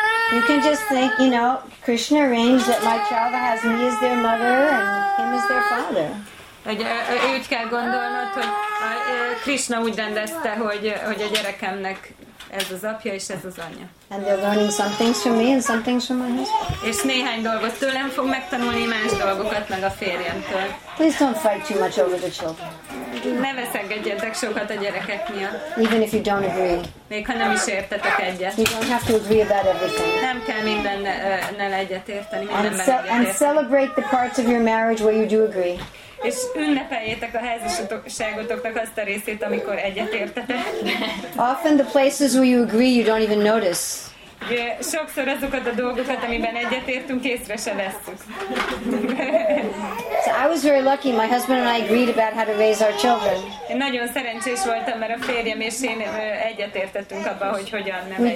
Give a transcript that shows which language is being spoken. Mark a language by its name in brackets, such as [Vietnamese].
[English] You can just think, you know, Krishna arranged that my child has me as their mother and him as their father. [Hungarian] Úgy kell gondolnod, hogy Krishna úgy rendezte, hogy a gyerekemnek ez az apja és ez az anyja. [English] And they're learning some things from me and some things from my husband. [Hungarian] És néhány dolgot tőlem fog megtanulni, más dolgokat meg a férjemtől. [English] Please don't fight too much over the children. [Hungarian] Ne veszekedjetek sokat a gyerekek miatt. [English] Even if you don't agree. [Hungarian] Még ha nem is értetek egyet. [English] You don't have to agree about everything. [Hungarian] Nem kell mindennel egyetérteni. [English] And celebrate the parts of your marriage where you do agree. [Hungarian] És ünnepeljétek a házasságotoknak azt a részét, amikor egyetértetek. [English] Often the places where you agree, you don't even notice. [Hungarian] De sokszor azokat a dolgokat, amiben egyetértünk, észre se vesszük. [English] So I was very lucky. My husband and I agreed about how to raise our children. [Hungarian] Én nagyon szerencsés voltam, mert a férjem és én egyetértettünk abban, hogy hogyan neveljük.